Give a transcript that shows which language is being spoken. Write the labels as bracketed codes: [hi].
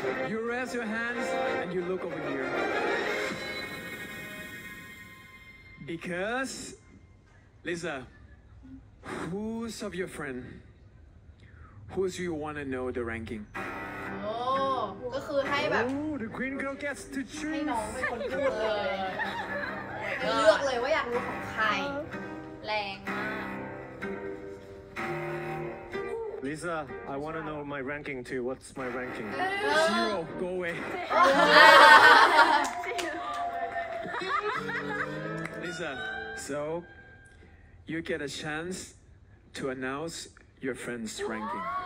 [en] You raise your hands and you look over here. Because, Lisa, who's of your friend? Who do you want to know the ranking? [th] Oh, ก็คือให้แบบ [en] Oh, the green girl gets to choose. [th] ให้น้องเป็นคนเลือกเลยว่าอยากรู้ของใครแรงมาก [en] Lisa, I want to know my ranking too. What's my ranking? Zero. Go away. Lisa, so you get a chance to announce your friend's ranking.